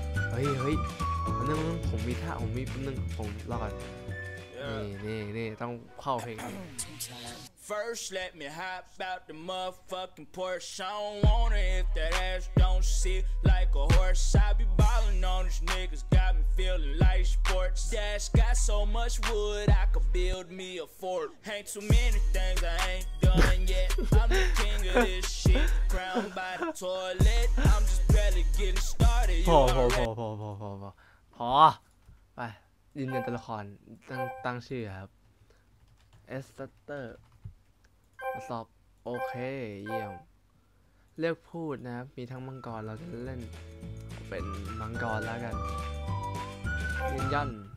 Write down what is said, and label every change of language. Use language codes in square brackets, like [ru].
[th] เฮ้ยๆนั่นมันผมมีท่าผมมีแป๊บนึงผมรอก่อนนี่ต้องเข้าเพลง [en] First, let me hop out the motherfucking Porsche. I don't wanna hit that ass, don't see like a horse. I be ballin' on these niggas, got me feelin' like sports. Dash got so much wood, I could build me a fort. Ain't too many things I ain't done yet. I'm the king of this shit, crowned by the toilet. I'm just barely getting started. [th] พอไปยืนยันตัวละครตั้งชื่อครับเอสเตอร์สอบโอเคเยี่ยมเลือกพูดนะครับมีทั้งมังกรเราจะเล่นเป็นมังกรแล้วกันยืนยัน